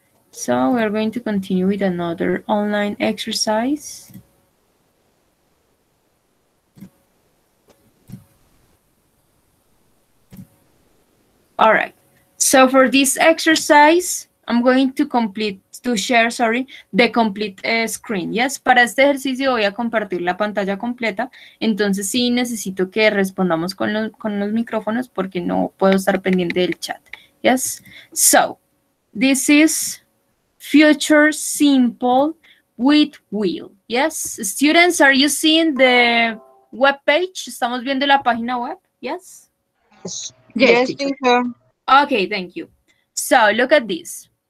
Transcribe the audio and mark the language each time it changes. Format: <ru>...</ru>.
<en>So, we are going to continue with another online exercise. All right, so for this exercise, I'm going to share the complete screen, yes?</en> <es>Para este ejercicio voy a compartir la pantalla completa, entonces sí necesito que respondamos con los micrófonos porque no puedo estar pendiente del chat,</es> <en>yes? So, this is future simple with will, yes? Students, are you seeing the web page?</en> <es>¿Estamos viendo la página web?</es> <en>Yes? Yes, teacher. Okay, thank you. So, look at this.</en>